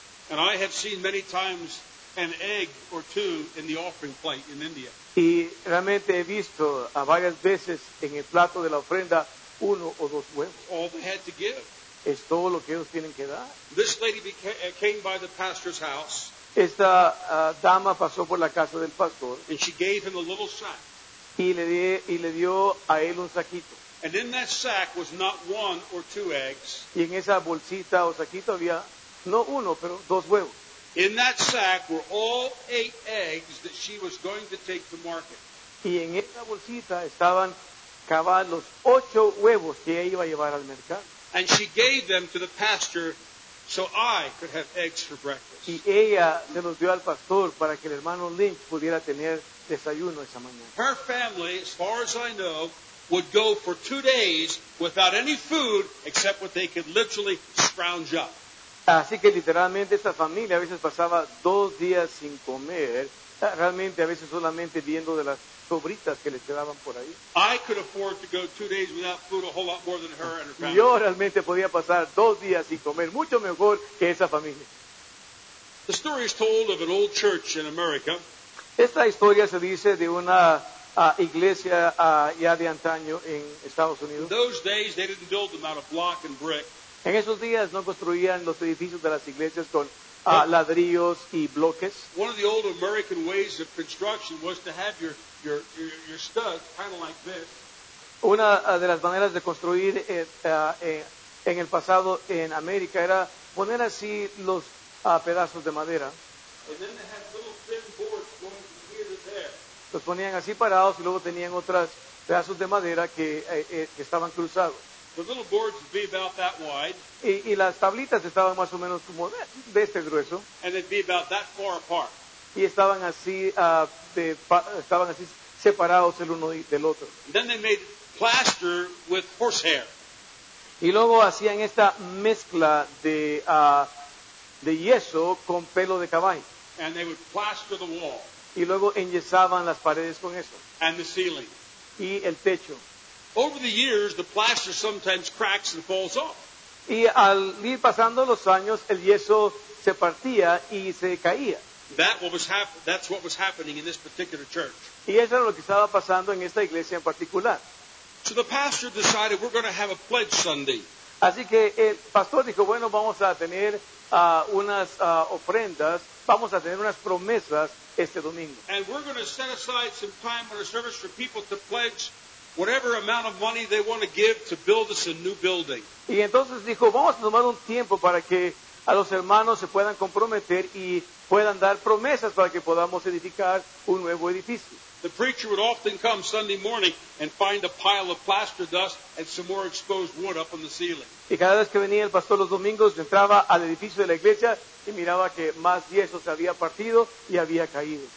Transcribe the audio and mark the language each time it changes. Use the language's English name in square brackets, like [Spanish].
[English] And I have seen many times an egg or two in the offering plate in India. [Spanish] Y realmente he visto a varias veces en el plato de la ofrenda uno o dos huevos. [English] All they had to give. [Spanish] Es todo lo que ellos tienen que dar. [English] This lady came by the pastor's house. [Spanish] Esta dama pasó por la casa del pastor. [English] And she gave him a little sack. [Spanish] Y le dio a él un saquito. [English] And in that sack was not one or two eggs. [Spanish] Y en esa bolsita o saquito había no uno, pero dos huevos. [English] In that sack were all 8 eggs that she was going to take to market. [Spanish] Y en esa bolsita estaban cabal los 8 huevos que ella iba a llevar al mercado. [English] And she gave them to the pastor so I could have eggs for breakfast. [Spanish] Y ella se los dio al pastor para que el hermano Lynch pudiera tener desayuno esa mañana. [English] Her family, as far as I know, would go for 2 days without any food except what they could literally scrounge up. [Spanish] Así que literalmente esta familia a veces pasaba 2 días sin comer, realmente a veces solamente viendo de las sobritas que les quedaban por ahí. [English] I could afford to go 2 days without food a whole lot more than her and her family. [Spanish] Yo realmente podía pasar 2 días sin comer mucho mejor que esa familia. [English] The story is told of an old church in America. [Spanish] Esta historia se dice de una iglesia ya de antaño en Estados Unidos. [English] In those days they didn't build them out of block and brick. [Spanish] En esos días no construían los edificios de las iglesias con ladrillos y bloques. [English] One of the old American ways of construction was to have your studs kind of like this. [Spanish] Una de las maneras de construir en el pasado en América era poner así los pedazos de madera. [English] And then they had little thin boards going from here to there. [Spanish] Los ponían así parados y luego tenían otros pedazos de madera que estaban cruzados. [English] The little boards would be about that wide. [Spanish] Y las tablitas estaban más o menos como de este grueso. [English] And they'd be about that far apart. [Spanish] Y estaban así, estaban así separados el uno del otro. [English] And then they made plaster with horsehair. [Spanish] Y luego hacían esta mezcla de yeso con pelo de caballo. [English] And they would plaster the wall. [Spanish] Y luego enyesaban las paredes con eso. [English] And the ceiling. [Spanish] Y el techo. [English] Over the years, the plaster sometimes cracks and falls off. [Spanish] Y al ir pasando los años, el yeso se partía y se caía. [English] That's what was happening in this particular church. [Spanish] Y eso era lo que estaba pasando en esta iglesia en particular. [English] So the pastor decided we're going to have a pledge Sunday. [Spanish] Así que el pastor dijo, bueno, vamos a tener unas ofrendas, vamos a tener unas promesas este domingo. [English] And we're going to set aside some time in our service for people to pledge whatever amount of money they want to give to build us a new building. [Spanish] Y entonces dijo, vamos a tomar un tiempo para que a los hermanos se puedan comprometer y puedan dar promesas para que podamos edificar un nuevo edificio. [English] The preacher would often come Sunday morning and find a pile of plaster dust and some more exposed wood up on the ceiling. [Spanish] Y cada vez que venía el pastor los domingos, entraba al edificio de la iglesia y miraba que más yeso se había partido y había caído.